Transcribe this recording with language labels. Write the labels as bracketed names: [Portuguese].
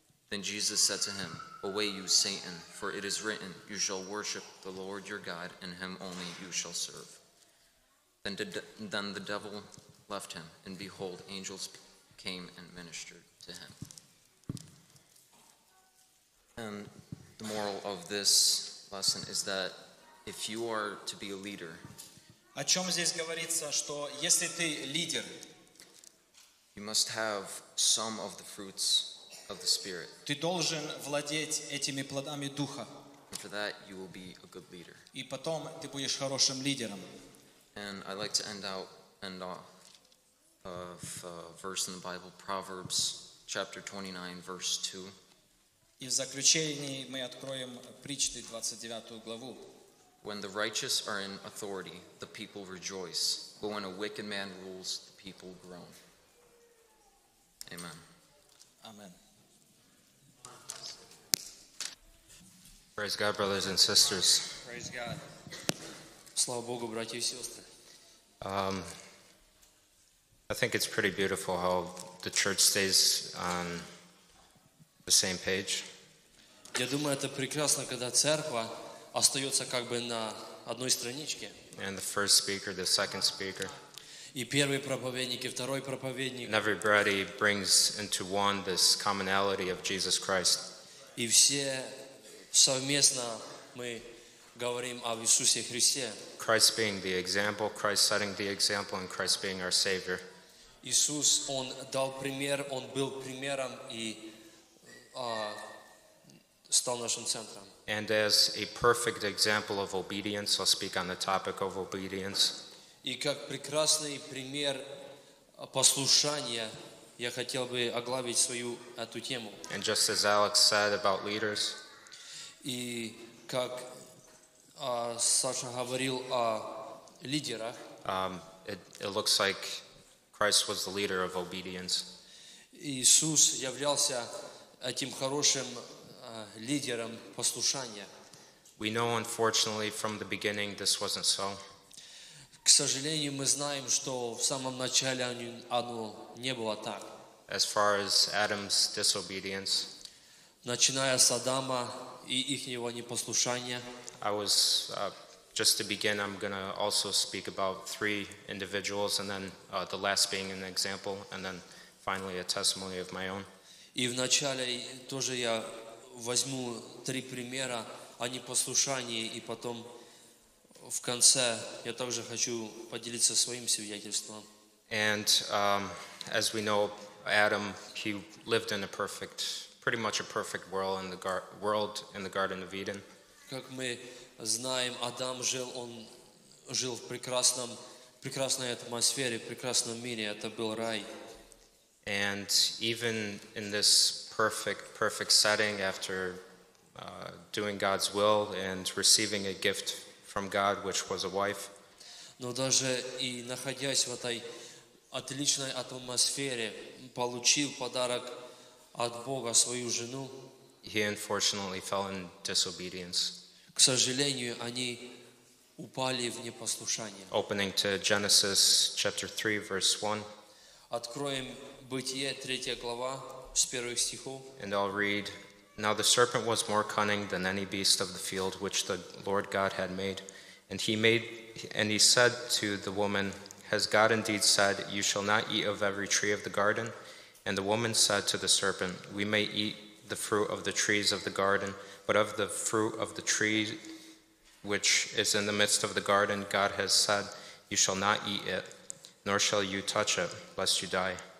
[English] Then Jesus said to him, "Away you, Satan, for it is written, you shall worship the Lord your God, and him only you shall serve." Then the devil left him, and behold, angels came and ministered to him. And the moral of this lesson is that if you are to be a leader, [Russian] о чем здесь говорится, что если ты лидер, [English] you must have some of the fruits of the Spirit. [Russian] Ты должен владеть этими плодами Духа. [English] And for that, you will be a good leader. [Russian] И потом ты будешь хорошим лидером. [English] And I'd like to end off of a verse in the Bible, Proverbs chapter 29, verse 2. [Russian] И в заключении мы откроем Притчи 29 главу. [English] When the righteous are in authority, the people rejoice. But when a wicked man rules, the people groan. Amen. Amen. Praise God, brothers and sisters. Praise God. [Russian] Слава Богу, братья и сестры. [English] I think it's pretty beautiful how the church stays on the same page. [Russian] Я думаю, это прекрасно, когда церковь остается как бы на одной страничке. [English] And the first speaker, the second speaker. [Russian] И первый проповедник, и второй проповедник. [English] And everybody brings into one this commonality of Jesus Christ. [Russian] И все совместно мы говорим об Иисусе Христе. [English] Christ being the example, Christ setting the example, and Christ being our Savior. [Russian] Иисус, Он дал пример, Он был примером и стал нашим центром. [English] And as a perfect example of obedience, I'll speak on the topic of obedience. [Russian] И как прекрасный пример послушания, я хотел бы оглавить свою эту тему. [English] And just as Alex said about leaders. [Russian] И как Саша говорил о лидерах. [English] It looks like Christ was the leader of obedience. [Russian] Иисус являлся этим хорошим лидером послушания. [English] We know, unfortunately, from the beginning, this wasn't so. [Russian] К сожалению, мы знаем, что в самом начале оно не было так. [English] As far as Adam's disobedience. [Russian] Начиная с Адама и ихнего непослушания. [English] I was just to begin. I'm going to also speak about three individuals, and then the last being an example, and then finally a testimony of my own. [Russian] И в начале тоже я возьму три примера о непослушании, и потом в конце я также хочу поделиться своим свидетельством. [English] And as we know, Adam, he lived in a perfect, pretty much a perfect world in the world in the Garden of Eden. [Russian] Как мы знаем, Адам жил, он жил в прекрасном, прекрасной атмосфере, в прекрасном мире. Это был рай. [English] And even in this perfect, perfect setting, after doing God's will and receiving a gift from God, which was a wife. [Russian] Но даже и находясь в этой отличной атмосфере, получил подарок от Бога свою жену. [English] He unfortunately fell in disobedience. [Russian] К сожалению, они упали в непослушание. [English] Opening to Genesis chapter 3, verse 1. [Russian] Откроем Бытие, 3 глава, с первых стихов. [English] And I'll read, Now the serpent was more cunning than any beast of the field which the Lord God had made. And he said to the woman, Has God indeed said, You shall not eat of every tree of the garden? And the woman said to the serpent, We may eat the fruit of the trees of the garden, But of the fruit of the tree which is in the midst of the garden, God has said, You shall not eat it, nor shall you touch it, lest you die.